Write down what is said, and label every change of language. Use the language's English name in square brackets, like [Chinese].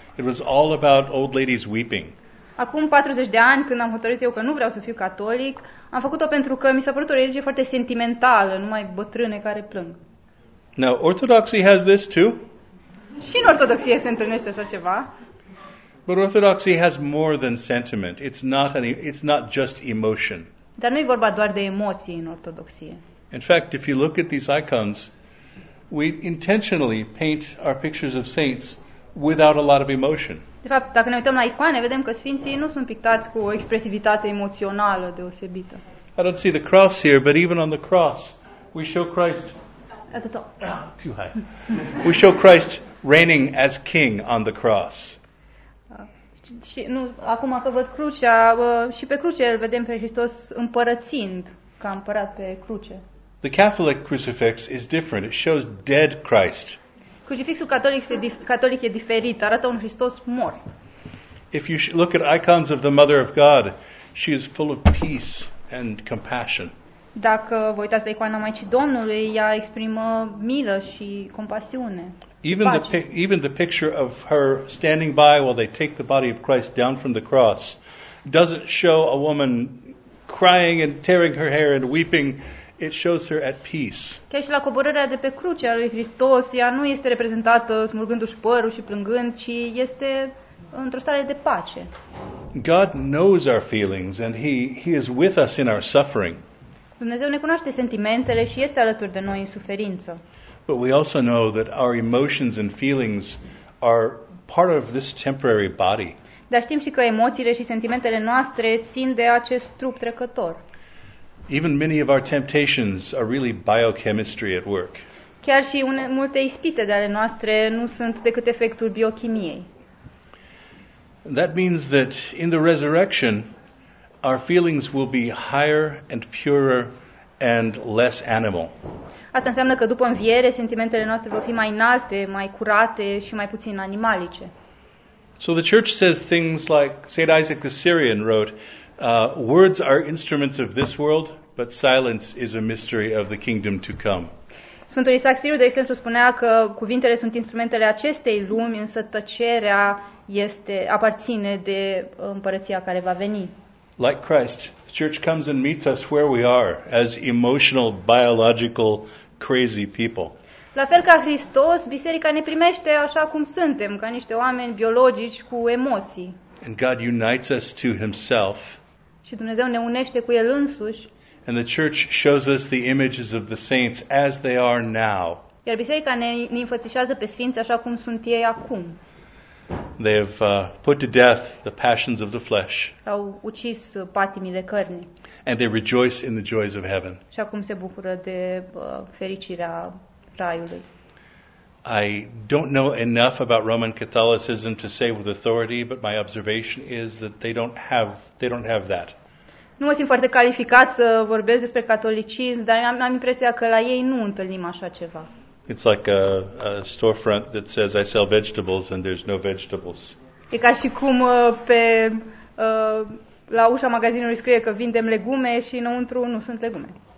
[English] It was all about old ladies weeping. [Romanian] Acum 40 de ani, când am hotărât eu că nu vreau să fiu catolic, am făcut-o pentru că mi s-a părut o religie foarte sentimentală, numai bătrâne care plâng. [English] Now, Orthodoxy has this too. [Romanian] Și în Ortodoxie se întâlnește așa ceva. [English] But Orthodoxy has more than sentiment. It's not just emotion. [Romanian] Dar nu e vorba doar de emoții în Ortodoxie. [English] In fact, if you look at these icons, we intentionally paint our pictures of saints without a lot of emotion. [Romanian] De fapt, dacă ne uităm la icoane, vedem că sfinții nu sunt pictați cu o expresivitate emoțională deosebită. [English] I don't see the cross here, but even on the cross, we show Christ at the top. Too high. We show Christ reigning as king on the cross. [Romanian] Și nu, acum că văd crucea, și pe cruce îl vedem pe Hristos împărățind, ca împărat pe cruce. [English] The Catholic crucifix is different. It shows dead Christ. [Romanian] Crucifixul catolic e diferit, arată un Hristos mort. [English] If you look at icons of the Mother of God, she is full of peace and compassion. [Romanian] Dacă vă uitați la icoana Maicii Domnului, ea exprimă milă și compasiune. [English] Even the picture of her standing by while they take the body of Christ down from the cross doesn't show a woman crying and tearing her hair and weeping. It shows her at peace. [Romanian] Chiar și la coborârea de pe cruce a lui Hristos, ea nu este reprezentată smulgându-și părul și plângând, ci este într-o stare de pace. [English] God knows our feelings and he is with us in our suffering. [Romanian] Dumnezeu ne cunoaște sentimentele și este alături de noi în suferință. [English] But we also know that our emotions and feelings are part of this temporary body. [Romanian] Dar știm și că emoțiile și sentimentele noastre țin de acest trup trecător. [English] Even many of our temptations are really biochemistry at work. [Romanian] Chiar și multe ispite ale noastre nu sunt decât efectul biochimiei. [English] That means that in the resurrection our feelings will be higher and purer and less animal. [Romanian] Asta înseamnă că după înviere sentimentele noastre vor fi mai înalte, mai curate și mai puțin animalice. [English] So the church says things like St. Isaac the Syrian wrote, "Words are instruments of this world, but silence is a mystery of the kingdom to come." [Romanian] Sfântul Isaac Siriu, de exemplu, spunea că cuvintele sunt instrumentele acestei lumi, însă tăcerea aparține de împărăția care va veni. [English] Like Christ, the church comes and meets us where we are, as emotional, biological, crazy people. [Romanian] La fel ca Hristos, biserica ne primește așa cum suntem, ca niște oameni biologici cu emoții. [English] And God unites us to himself. [Romanian] Și Dumnezeu ne unește cu el însuși. [English] And the church shows us the images of the saints as they are now. [Romanian] Iar biserica ne înfățișează pe sfinți așa cum sunt ei acum. [English] They have put to death the passions of the flesh. [Romanian] Au ucis patimile cărnii. [English] And they rejoice in the joys of heaven. [Romanian] Și acum se bucură de fericirea raiului. [English] I don't know enough about Roman Catholicism to say with authority, but my observation is that they don't have that. [Romanian] Nu mă simt foarte calificat să vorbesc despre catolicism, dar am impresia că la ei nu întâlnim așa ceva. [English] It's like a storefront that says I sell vegetables and there's no vegetables. [Romanian] E ca și cum pe la ușa magazinului scrie că vindem legume și înăuntru nu sunt legume.